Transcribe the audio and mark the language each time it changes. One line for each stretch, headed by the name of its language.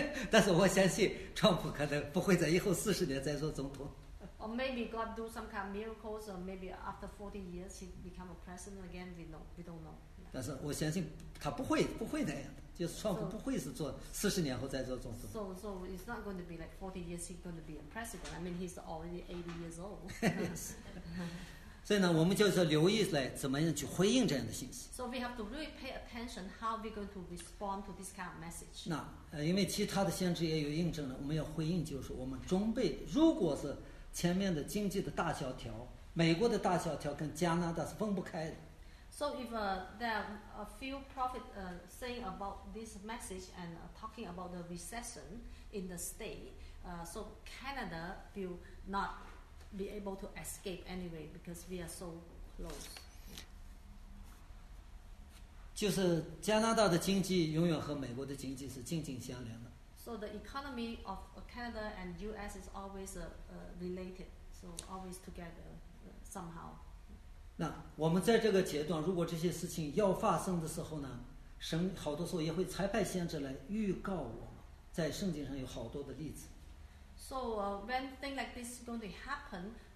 Chinese: 但是我相信 Trump 可能不会在以后四十年再做总统。
English: Or maybe God do some kind of miracles, or maybe after 40 years he become a president again. We don't know.
Chinese: 但是我相信他不会那样的。就是川普不会是做四十年后再做总统。
English: So it's not going to be like 40 years he's going to be a president. I mean he's already 80 years old.
Chinese: 所以呢，我们就是留意来怎么样去回应这样的信息。
English: So we have to really pay attention how we're going to respond to this kind of message.
Chinese: 那因为其他的先知也有印证了，我们要回应就是我们装备。如果是前面的经济的大萧条，美国的大萧条跟加拿大是分不开的。
English: So if there are a few prophets saying about this message and talking about the recession in the state, so Canada will not be able to escape anyway because we are so close.
Chinese: 就是加拿大的经济永远和美国的经济是紧紧相连的。
English: So the economy of Canada and U.S. is always related, so always together somehow.
Chinese: 那我们在这个阶段，如果这些事情要发生的时候呢，神好多时候也会差派先知来预告我们，在圣经上有好多的例子。
English: So when things like this is going to happen,